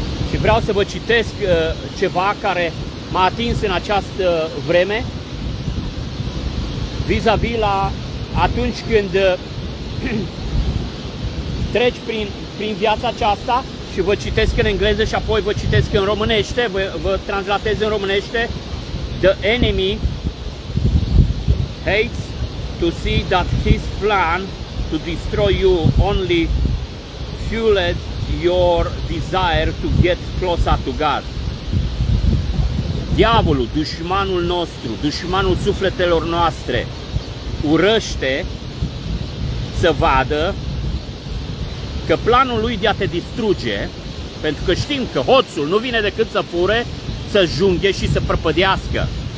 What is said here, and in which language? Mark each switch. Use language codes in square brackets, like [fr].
[ro] Și vreau să vă citesc ceva care m-a atins în această vreme, vis-a-vis la atunci când treci prin viața aceasta, și vă citesc în engleză și apoi vă citesc în românește, vă translatez în românește. [en] The enemy hates to see that his plan to destroy you only fueled your desire to get closer to God. [ro] Diavolul, dușmanul nostru, dușmanul sufletelor noastre, urăște să vadă că planul lui de a te distruge, pentru că știm că hoțul nu vine decât să fure, să junghe și să prăpădească.